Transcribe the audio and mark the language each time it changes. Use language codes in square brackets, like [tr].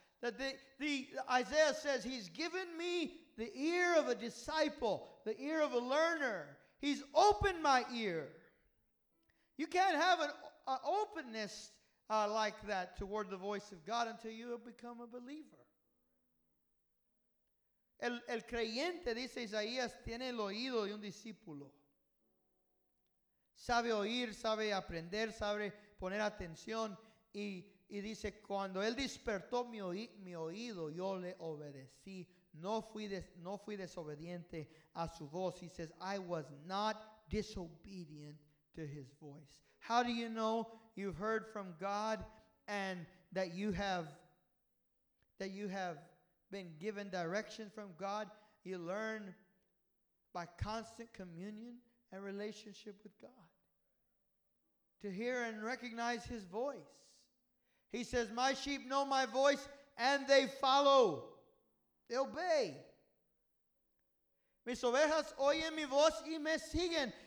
[en] That the Isaiah says, "He's given me the ear of a disciple, the ear of a learner. He's opened my ear." You can't have an openness like that toward the voice of God until you have become a believer. [es] El creyente, dice Isaías, tiene el oído de un discípulo. Sabe oír, sabe aprender, sabe poner atención. Y dice, cuando él despertó mi oído, yo le obedecí. No fui desobediente a su voz. [en] He says, "I was not disobedient to his voice." How do you know you've heard from God and that you have been given direction from God? You learn by constant communion and relationship with God. To hear and recognize his voice. He says, "My sheep know my voice and they follow." They obey. [es] Mis ovejas oyen mi voz y me siguen.